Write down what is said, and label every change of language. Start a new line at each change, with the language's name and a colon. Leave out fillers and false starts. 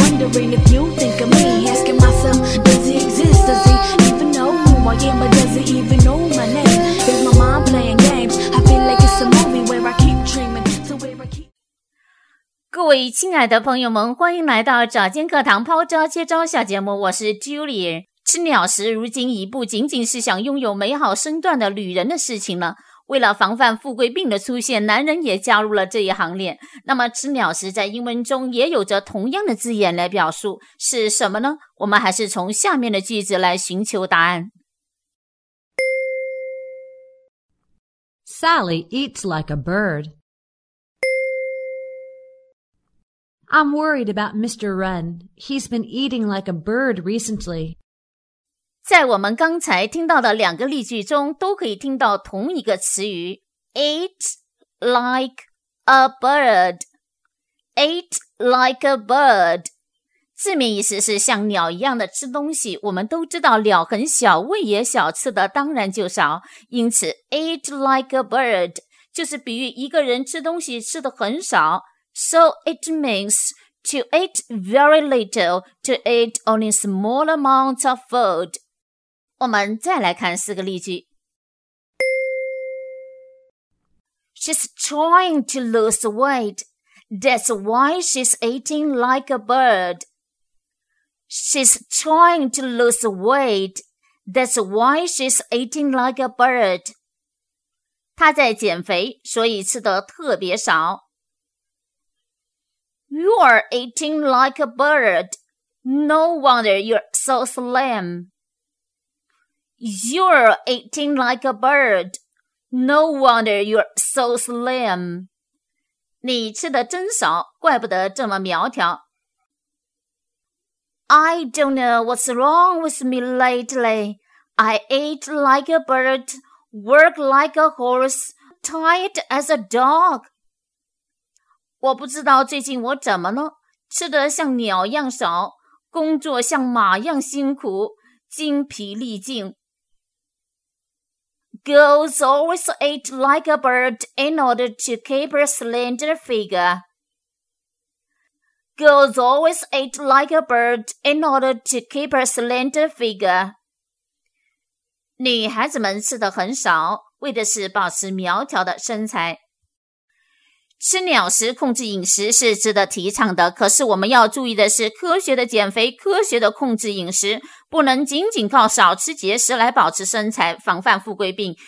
English: wondering if you think of me. Asking myself, does he exist? Does he even know who I am? Or does he even know my name? Is my mind playing games? I feel like it's a movie where I keep dreaming. So where I keep...
Chinese: 各位亲爱的朋友们，欢迎来到早间课堂抛招接招小节目，我是 Julie。吃鸟时如今已不仅仅是想拥有美好身段的旅人的事情了，为了防范富贵病的出现，男人也加入了这一行列。那么吃鸟时在英文中也有着同样的字眼来表述，是什么呢？我们还是从下面的句子来寻求答案。
English: Sally eats like a bird. I'm worried about Mr. Wren. He's been eating like a bird recently.
Chinese: 在我们刚才听到的两个例句中都可以听到同一个词语
English: eat like a bird
Chinese: eat like a bird 字面意思是像鸟一样的吃东西，我们都知道鸟很小，胃也小，吃的当然就少，因此 eat like a bird 就是比喻一个人吃东西吃的很少。
English: So it means to eat very little, to eat only small amounts of food.
Chinese: 我们再来看四个例句。
English: She's trying to lose weight. That's why she's eating like a bird. She's trying to lose weight. That's why she's eating like a bird.
Chinese: 她在减肥，所以吃得特别少。
English: You're eating like a bird. No wonder you're so slim. You're eating like a bird. No wonder you're so slim.
Chinese: 你吃的真少，怪不得这么苗条。
English: I don't know what's wrong with me lately. I eat like a bird, work like a horse, tired as a dog.
Chinese: 我不知道最近我怎么了，吃的像鸟一样少，工作像马一样辛苦，精疲力尽。
English: Girls always eat like a bird in order to keep a slender figure. Girls always eat like a bird in order to keep a slender figure.
Chinese: 女孩子们吃的很少，为的是保持苗条的身材。吃鸟食控制饮食是值得提倡的，可是我们要注意的是，科学的减肥，科学的控制饮食，不能仅仅靠少吃节食来保持身材，防范富贵病。